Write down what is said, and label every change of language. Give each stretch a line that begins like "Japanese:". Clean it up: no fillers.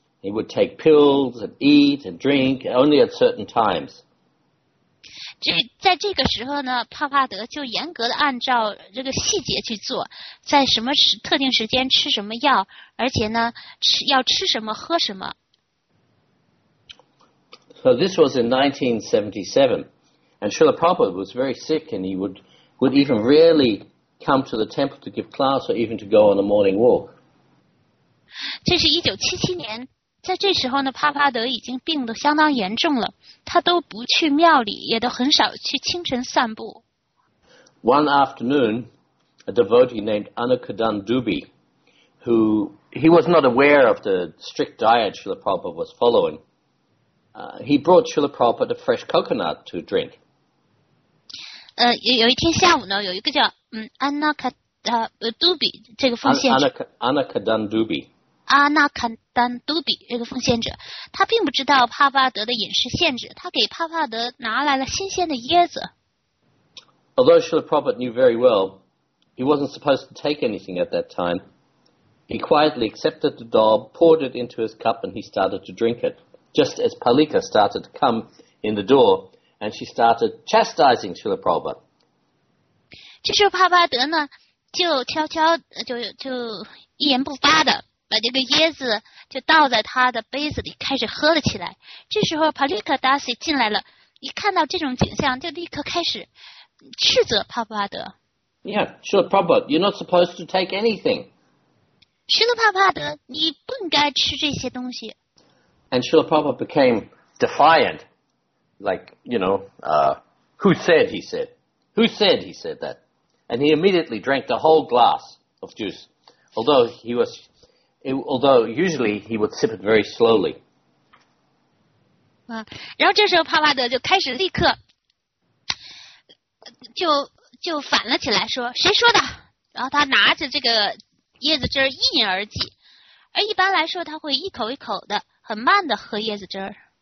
English: He would take pills and eat and drink only at certain times.
Chinese: 在这个时候呢，帕帕德就严格的按照这个细节去做，在什么时特定时间吃什么药，而且呢，要吃什么喝什么。
English: So this was in 1977, and Srila Prabhupada was very sick, and he would even rarely come to the temple to give class or even to go on a morning walk.
Chinese: 这是1977年。在这时候呢，帕帕德已经病得相当严重了，他都不去庙里，也都很少去清晨散步。
English: One afternoon, a devotee named Anukadan Dubey, who he was not aware of the strict diet Srila Prabhupada was following, he brought Srila Prabhupada a fresh coconut to drink.
Chinese: 有一天下午呢，有一个叫Anukadan Dubey 这个奉献者。 Anukadan Dubey。阿纳坎丹杜比这个奉献者，他并不知道帕帕德的饮食限制，他给帕帕德拿来了新鲜的椰子。
English: Although Srila Prabhupada knew very well, he wasn't supposed to take anything at that time. He quietly accepted the daub, poured it into his cup, and he started to drink it. Just as Palika started to come in the door, and she started chastising Srila Prabhupada.
Chinese: 这时候帕帕德呢，就悄悄就一言不发的。把这个椰子就倒在他的杯子里，开始喝了起来。这时候 ，Palika Dasi 进来了，一看到这种景象，就立刻开始斥责帕帕德。
English: Yeah, sure, Prabhupada, you're not supposed to take anything.
Chinese: 是的，帕帕德，你不应该吃这些东西。
English: And Srila Prabhupada became defiant, like you know, who said that? And he immediately drank the whole glass of juice, although he was. Although usually he would sip it very slowly.
Chinese: 然后这时候帕帕德就开始立刻就反了起来，说谁说的？然后他拿着这个椰子汁一饮而尽，而一般来说他会一口一口的很慢的喝椰子汁。